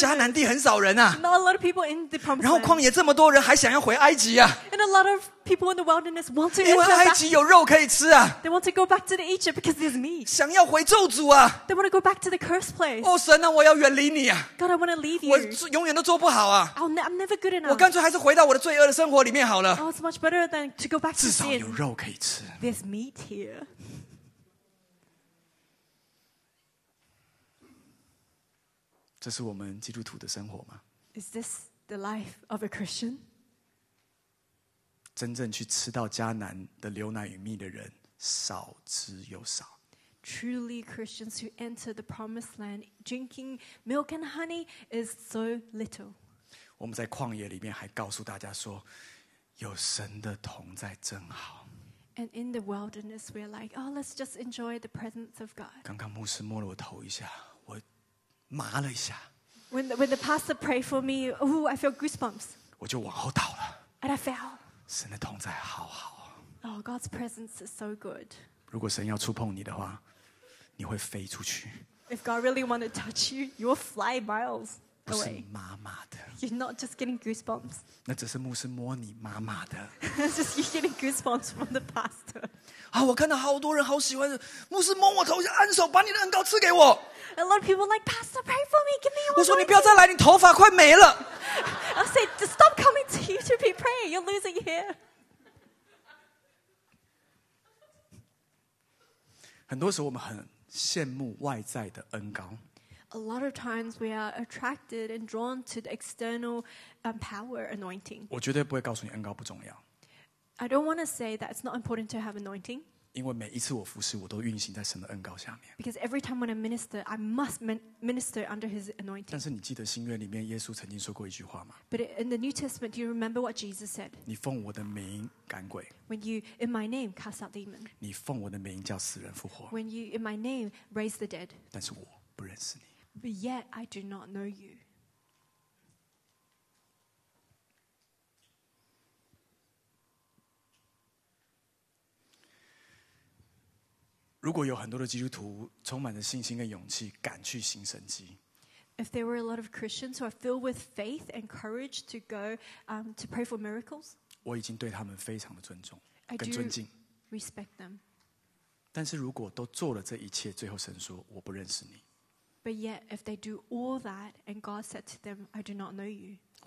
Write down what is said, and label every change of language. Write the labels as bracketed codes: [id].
[zh] 迦南地很少人啊。 [en] Not a lot of people in the promised land. [zh] 然后旷野这么多人还想要回埃及啊。 [en] And a lot of people in the wilderness want to. [zh] 因为埃及有肉可以吃啊。 [en] They want to go back to the Egypt because there's meat. [zh] 想要回咒诅啊。 [en] They want to go back to the cursed place. [zh] 哦神啊，我要远离你啊。 [en] God, I want to leave you. [zh] 我永远都做不好啊。 [en] I'm never good enough. [zh] 我干脆还是回到我的罪恶的生活里面好了。 [en] Oh, it's much better than to go back to sin. [zh] 至少有肉可以吃。 [en] There's meat here. [zh] 这是我们基督徒的生活吗 [en] Is this the life of a Christian? [zh] 真正去吃到迦南的牛奶与蜜的人少之又少 [en] Truly Christians who enter the promised land drinking milk and honey is so little [zh] 我们在旷野里面还告诉大家说有神的同在真好 [en] And in the wilderness we're like Oh let's just enjoy the presence of God [zh] 刚刚牧师摸了我头一下我麻了一下 [en] When the pastor prayed for me oh, I feel goosebumps [zh] 我就往后倒了 [en] And I fell [zh] 神的同在好好 [en] Oh God's presence is so good [zh] 如果神要触碰你的话你会飞出去 [en] If God really wants to touch you You will fly miles away. [zh] 不是妈妈的. [en] You're not just getting goosebumps. [zh] 那只是牧师摸你妈妈的. [en] Just you getting goosebumps from the pastor. [zh] 啊，我看到好多人好喜欢牧师摸我头，按手，把你的恩膏赐给我. [en] A lot of people are like, Pastor, pray for me, give me your. [zh] 我说你不要再来，你头发快没了. [en] I said, stop coming to you to be praying. You're losing hair. [zh] 很多时候我们很羡慕外在的恩膏. [en] A lot of times we are attracted and drawn to the external power anointing. [zh] 我绝对不会告诉你恩膏不重要. [en] I don't want to say that it's not important to have anointing. [zh] 因为每一次我服侍，我都运行在神的恩膏下面. [en] Because every time when I minister, I must minister under His anointing. [zh] 但是你记得新约里面耶稣曾经说过一句话吗？ [en] But in the New Testament, do you remember what Jesus said? [zh] 你奉我的名赶鬼。 [en] When you in my name cast out demons. [zh] 你奉我的名叫死人复活。 [en] When you in my name raise the dead. [zh] 但是我不认识你。 [en] But yet I do not know you. [zh] 如果有很多的基督徒充满着信心跟勇气，敢去行神迹。 [en] If there were a lot of Christians who are filled with faith and courage to go to pray for miracles, [zh] 我已经对他们非常的尊重跟尊敬。 [en] I do respect them. [zh] 但是如果都做了这一切，最后神说我不认识你。 [en] But yet, if they do all that, and God said to them, "I do not know you."